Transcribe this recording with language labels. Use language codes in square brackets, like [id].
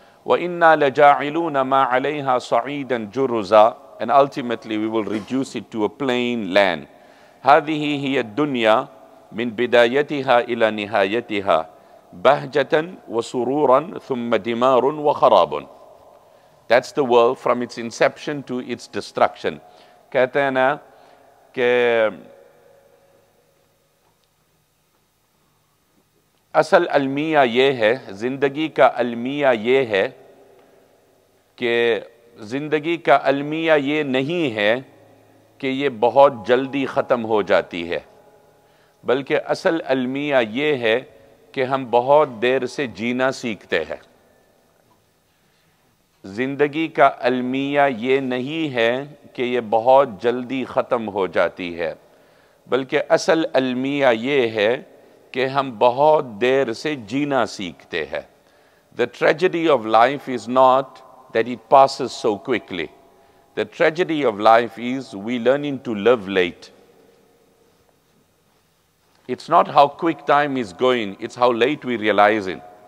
[ar] وَإِنَّا لَجَاعِلُونَ مَا عَلَيْهَا صَعِيدًا جُرُزًا, [en] and ultimately we will reduce it to a plain land. [ar] هَذِهِ هِيَ الدُّنْيَا مِنْ بِدَايَتِهَا إِلَى نِهَايَتِهَا بَهْجَةً وَسُرُورًا ثُمَّ دِمَارٌ وَخَرَابٌ. [en] That's the world from its inception to its destruction. [ur] کہتے ہیں نا کہ اصل المیہ یہ ہے, زندگی کا المیہ یہ ہے کہ زندگی کا المیہ یہ نہیں ہے کہ یہ بہت جلدی ختم ہو جاتی ہے, بلکہ اصل المیہ یہ ہے کہ ہم بہت دیر سے جینا سیکھتے ہیں. زندگی کا المیہ یہ نہیں ہے کہ یہ بہت جلدی ختم ہو جاتی ہے, بلکہ اصل المیہ یہ ہے کہ ہم بہت دیر سے جینا سیکھتے ہیں. [en] The tragedy of life is not that it passes so quickly. The tragedy of life is we learning to live late. It's not how quick time is going, it's how late we realize it.